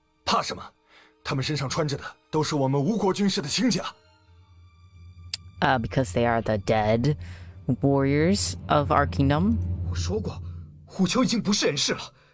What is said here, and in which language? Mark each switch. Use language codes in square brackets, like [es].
[zh] 怕什么?他们身上穿着的都是我们吴国军士的轻甲。 [en] Because they are the dead warriors of our kingdom? [zh] 我说过,虎丘已经不是人世了。